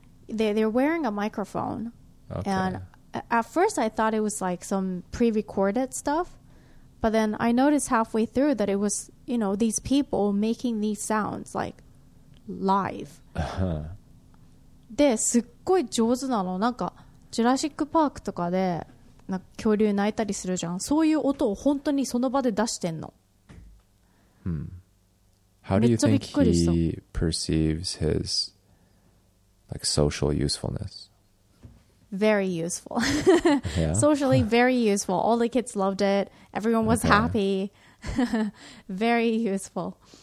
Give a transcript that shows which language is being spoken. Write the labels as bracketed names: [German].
[English] they're wearing a microphone. Okay. And at first I thought it was like some pre-recorded stuff, but then I noticed halfway through that it was, you know, these people making these sounds like live. [Japanese] で、すっごい上手なの。なんかジュラシックパークとかで なんか恐竜泣いたりするじゃん。そういう音を本当にその場で出してんの。 [English] How do you think he perceives his like social usefulness? Very useful. Yeah? Socially very useful. All the kids loved it. Everyone was okay. Happy. Very useful.